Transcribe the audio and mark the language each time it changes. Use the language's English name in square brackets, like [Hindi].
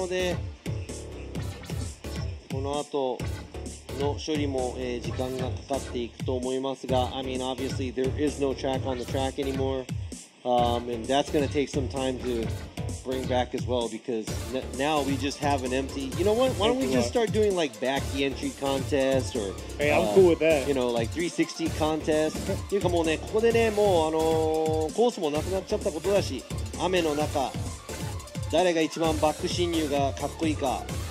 [Japanese] さあ、ということで、少しずつ雨が小降りになってきているという情報ありがとうございます。僕らから見るとね、あんまり状況変わってなさそうな感じなんですが、もちろんね、雨がだんだんだんだんなくなっていくのを心待ちに皆さんしていると思いますが、白線もそうなんです。白線ラインが消えちゃったので、この後の処理も時間がかかっていくと思いますが、 [English] I mean obviously there is no track on the track anymore, and that's going to take some time to bring back as well, because now we just have an empty. You know what? Why don't we just start doing like back entry contest or? Hey, I'm cool with that. You know, like 360 contest. [Japanese] というかもうね、ここでね、もうコースもなくなっちゃったことだし、雨の中誰が一番バック進入がかっこいいか。